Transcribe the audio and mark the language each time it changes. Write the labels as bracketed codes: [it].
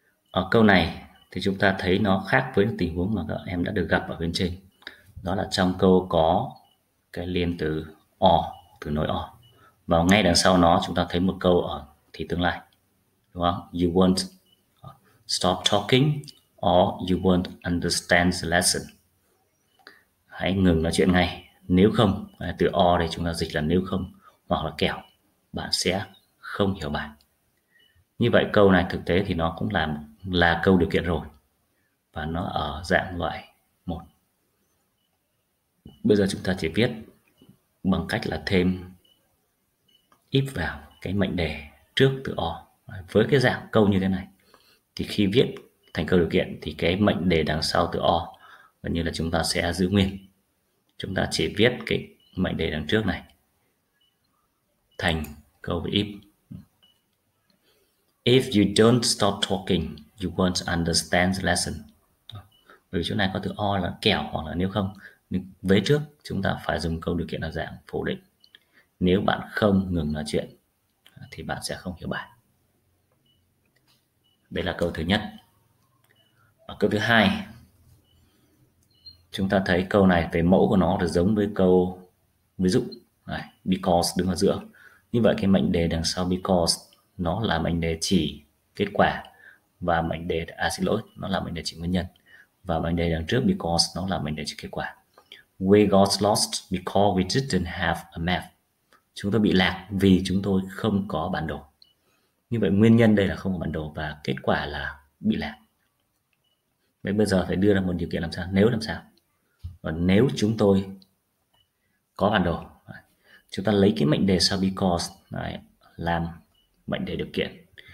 [vi] Ở câu này thì chúng ta thấy nó khác với tình huống mà các em đã được gặp ở bên trên. Đó là trong câu có cái liên từ or, từ nối or. Và ngay đằng sau nó chúng ta thấy một câu ở thì tương lai. Đúng không? [en] You won't stop talking or you won't understand the lesson. [vi] Hãy ngừng nói chuyện ngay. Nếu không, từ or đây chúng ta dịch là nếu không hoặc là kẻo, bạn sẽ không hiểu bài. Như vậy câu này thực tế thì nó cũng là câu điều kiện rồi. Và nó ở dạng loại 1. Bây giờ chúng ta chỉ viết bằng cách là thêm if vào cái mệnh đề trước từ or. Với cái dạng câu như thế này thì khi viết thành câu điều kiện thì cái mệnh đề đằng sau từ or gần như là chúng ta sẽ giữ nguyên. Chúng ta chỉ viết cái mệnh đề đằng trước này thành câu với if. [en] If you don't stop talking, you won't understand the lesson. [vi] Bởi vì chỗ này có từ or là kẻo hoặc là nếu không. Nhưng vế trước chúng ta phải dùng câu điều kiện là dạng phủ định. Nếu bạn không ngừng nói chuyện thì bạn sẽ không hiểu bài. Đây là câu thứ nhất. Ở câu thứ hai, chúng ta thấy câu này về mẫu của nó là giống với câu ví dụ này, because đứng ở giữa. Như vậy cái mệnh đề đằng sau because nó là mệnh đề chỉ kết quả và mệnh đề nó là mệnh đề chỉ nguyên nhân. Và mệnh đề đằng trước because nó là mệnh đề chỉ kết quả. [en] We got lost because we didn't have a map. [vi] Chúng tôi bị lạc vì chúng tôi không có bản đồ. Như vậy nguyên nhân đây là không có bản đồ và kết quả là bị lạc. Vậy bây giờ phải đưa ra một điều kiện làm sao? Nếu làm sao? Và nếu chúng tôi có bản đồ, chúng ta lấy cái mệnh đề sau because này, làm mệnh đề điều kiện.